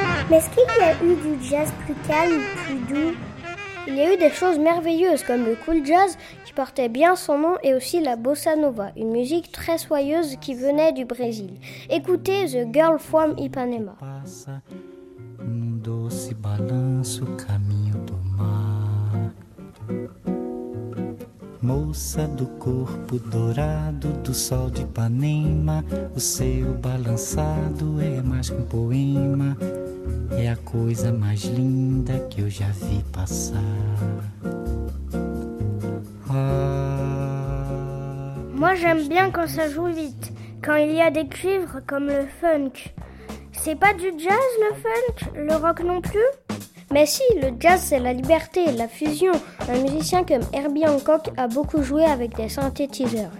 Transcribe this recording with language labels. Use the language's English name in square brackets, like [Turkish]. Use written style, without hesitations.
[French] Mais est-ce qu'il y a eu du jazz plus calme, plus doux ? Il y a eu des choses merveilleuses comme le cool jazz qui portait bien son nom et aussi la bossa nova, une musique très soyeuse qui venait du Brésil. Écoutez The Girl from Ipanema. [Portuguese] Passa um doce balanço caminho do mar. Moça do corpo dourado do sol de Ipanema, o seu balançado é mais que um poema. É a coisa mais linda que eu já vi passar. Ah, [French] moi j'aime bien quand ça joue vite, quand il y a des cuivres comme le funk. C'est pas du jazz le funk, le rock non plus? Mais si, le jazz c'est la liberté, la fusion. Un musicien comme Herbie Hancock a beaucoup joué avec des synthétiseurs.